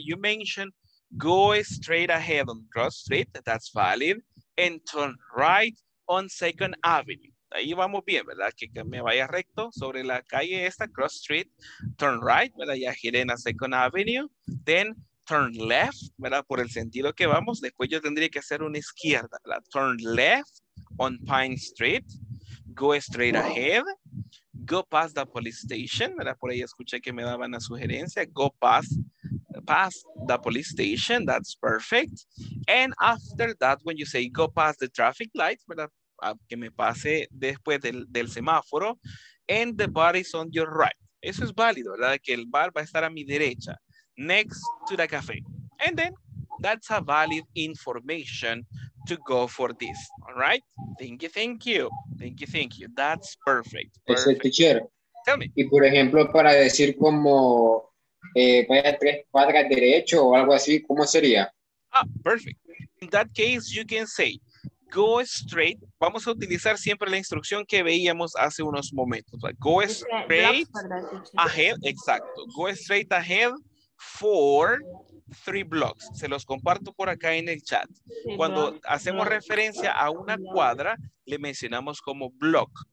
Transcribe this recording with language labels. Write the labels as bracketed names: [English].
[English] You mentioned go straight ahead on Cross Street, that's valid, and turn right on Second Avenue. [Spanish] Ahí vamos bien, ¿verdad? Que me vaya recto sobre la calle esta, Cross Street, [English] turn right, [Spanish] ¿verdad? Ya giré en la Second Avenue, [English] then turn left, [Spanish] ¿verdad? Por el sentido que vamos, después yo tendría que hacer una izquierda, ¿verdad? [English] Turn left on Pine Street. Go straight ahead, go past the police station, ¿verdad? [Spanish] Por ahí escuché que me daban la sugerencia, [English] go past the police station, that's perfect. And after that, when you say go past the traffic light, ¿verdad? [Spanish] Que me pase después del semáforo, [English] and the bar is on your right. [Spanish] Eso es válido, ¿verdad? Que el bar va a estar a mi derecha, [English] next to the cafe. And then, that's a valid information to go for this. All right. Thank you. That's perfect. Perfect. Teacher. Tell me. [Spanish] Y por ejemplo, para decir como vaya tres cuadras derecho o algo así, ¿cómo sería? [English] Ah, perfect. In that case, you can say, go straight. [Spanish] Vamos a utilizar siempre la instrucción que veíamos hace unos momentos. [English] Like, go straight ahead. Exacto. Go straight ahead for 3 blocks. [Spanish] Se los comparto por acá en el chat. Cuando hacemos referencia a una cuadra, le mencionamos como block.